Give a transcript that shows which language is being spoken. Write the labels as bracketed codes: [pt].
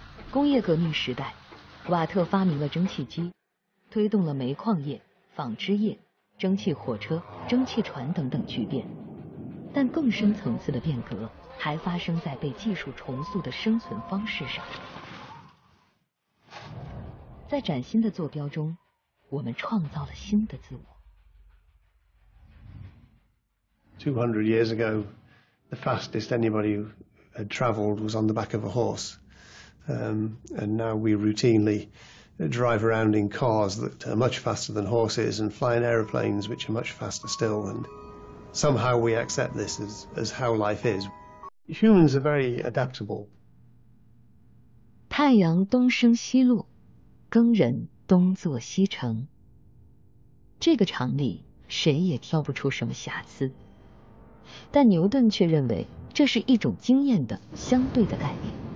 [zh] 工业革命时代，瓦特发明了蒸汽机，推动了煤矿业、纺织业、蒸汽火车、蒸汽船等等巨变。但更深层次的变革还发生在被技术重塑的生存方式上。在崭新的坐标中，我们创造了新的自我。 [en] 200 years ago, the fastest anybody had traveled was on the back of a horse. And now we routinely drive around in cars that are much faster than horses and fly in aeroplanes which are much faster still. And somehow we accept this as how life is. Humans are very adaptable. [zh] 太阳东升西落，耕人东作西成，这个常理谁也挑不出什么瑕疵。但牛顿却认为这是一种经验的相对的概念。